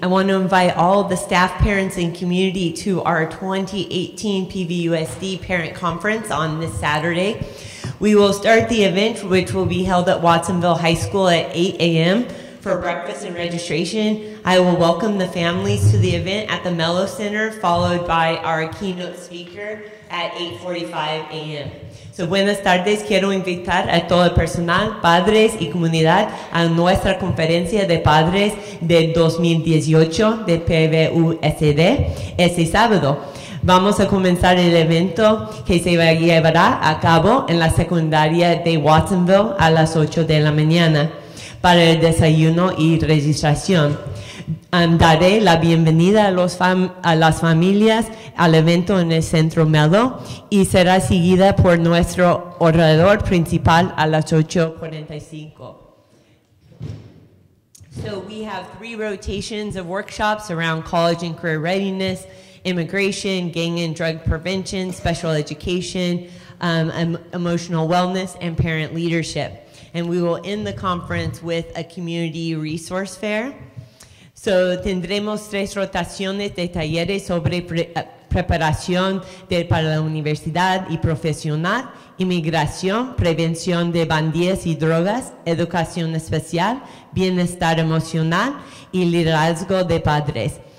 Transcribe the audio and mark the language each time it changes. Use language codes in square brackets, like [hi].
[en] I want to invite all the staff, parents, and community to our 2018 PVUSD Parent Conference on this Saturday. We will start the event, which will be held at Watsonville High School at 8 a.m. for breakfast and registration. I will welcome the families to the event at the Mello Center, followed by our keynote speaker at 8:45 a.m. [es] So, buenas tardes. Quiero invitar a todo el personal, padres y comunidad, a nuestra conferencia de padres de 2018 de PVUSD este sábado. Vamos a comenzar el evento que se llevará a cabo en la secundaria de Watsonville a las 8 de la mañana para el desayuno y registración. Daré la bienvenida a las familias al evento en el Centro Mello y será seguida por nuestro orador principal a las 8:45. [en] So we have three rotations of workshops around college and career readiness, immigration, gang and drug prevention, special education, emotional wellness, and parent leadership. And we will end the conference with a community resource fair. [es] So tendremos tres rotaciones de talleres sobre preparación de para la universidad y profesional, inmigración, prevención de bandidos y drogas, educación especial, bienestar emocional y liderazgo de padres.